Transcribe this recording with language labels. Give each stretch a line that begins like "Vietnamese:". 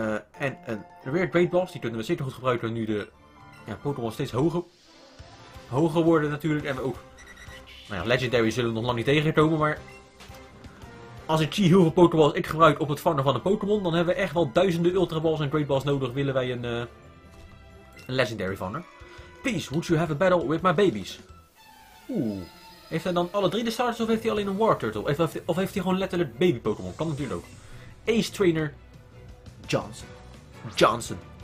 Dutch: En een Weird Great Boss, die kunnen we zeker goed gebruiken nu de... Ja, Pokémon steeds hoger worden natuurlijk. En we ook... Nou ja, Legendary zullen we nog lang niet tegenkomen, maar... Als ik zie hoeveel Pokéballs ik gebruik op het vangen van een Pokémon... Dan hebben we echt wel duizenden Ultra Balls en Great Balls nodig... Willen wij een Legendary vangen.
English: Please, would you have a battle with my babies? Oeh.
Dutch: Heeft hij dan alle 3 de starters of heeft hij alleen een War Turtle? Of heeft hij gewoon letterlijk baby Pokémon? Kan natuurlijk ook. Ace Trainer... Johnson.